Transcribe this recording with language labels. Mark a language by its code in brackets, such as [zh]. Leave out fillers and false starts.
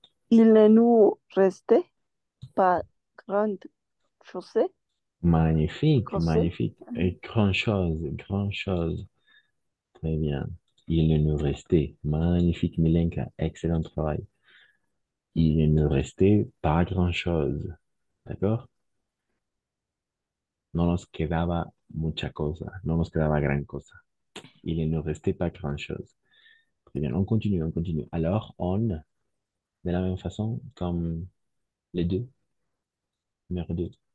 [fr] il ne nous restait pas grande chaussée. Magnifique, Chaussée. magnifique. Et grand chose, grand chose. Très bien. Il ne nous restait. Magnifique, Milenka. Excellent travail. Il ne nous restait pas grand-chose. D'accord? [es] No nos quedaba mucha cosa. No nos quedaba gran cosa. [fr] Il ne nous restait pas grand-chose. Très bien, on continue, on continue. Alors, on, de la même façon, comme les deux. Numéro deux.